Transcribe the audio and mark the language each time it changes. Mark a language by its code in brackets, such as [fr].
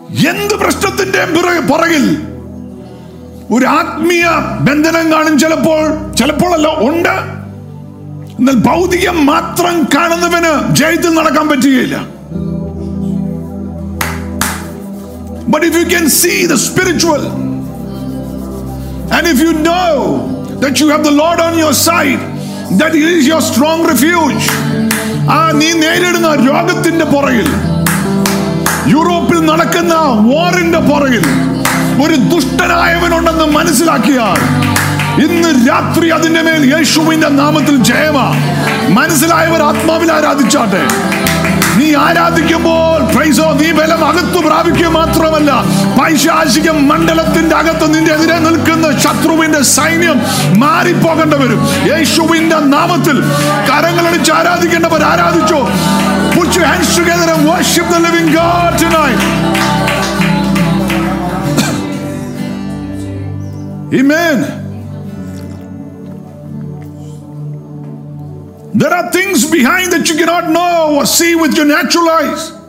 [ml] എന്ത് പ്രശ്നത്തിന്റെ പുറകിൽ ഒരു ആത്മീയ ബന്ധനം കാണും. ചിലപ്പോഴല്ല ഉണ്ട്. എന്നാൽ ഭൗതികം മാത്രം കാണുന്നവന് ജയത്തിൽ നടക്കാൻ പറ്റുകയില്ല. [en] But if you can see the spiritual, and if you know that you have the Lord on your side, that He is your strong refuge. [ml] Ah, nee nerida rogathinte poragil, Europe il nadakkuna warinte poragil, oru dushtanayavan undennu manasilakkiyal, innu raathri adinte mel Yeshuvinte naamathil jayama. Manasilayavar aathmavil aaradhichatte. നീ ആരാധിക്കുമ്പോൾ പ്രൈസോ നീ ബലം അകത്തു പ്രാപിക്കുക മാത്രമല്ല, പൈശാചിക മണ്ഡലത്തിന്റെ അകത്ത് നിന്റെ എതിരെ നിൽക്കുന്ന ശത്രുവിന്റെ സൈന്യം മാറിപ്പോകേണ്ടവരും. യേശുവിന്റെ നാമത്തിൽ കരങ്ങളടിച്ച് ആരാധിക്കേണ്ടവർ ആരാധിച്ചോ. [en] Put your hands together and worship the living God tonight. Amen. There are things behind that you cannot know or see with your natural eyes.